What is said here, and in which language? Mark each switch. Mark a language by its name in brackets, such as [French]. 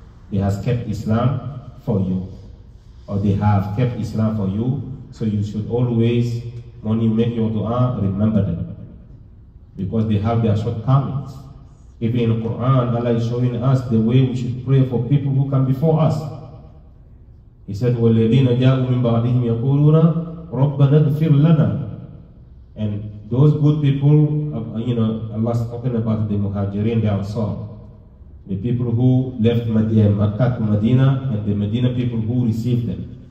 [English] They has kept Islam for you. Or they have kept Islam for you. So you should always, when you make your dua, remember them. Because they have their shortcomings. Even in the Quran, Allah is showing us the way we should pray for people who come before us. He said, [Arabic] وَالَّذِينَ جَاءُوا مِنْ بَعْدِهِمْ يَقُولُونَ رَبَّنَا اغْفِرْ لَنَا. [English] And those good people, you know, Allah's talking about the Muhajirin, the Ansar, the people who left Makkah to Medina, and the Medina people who received them.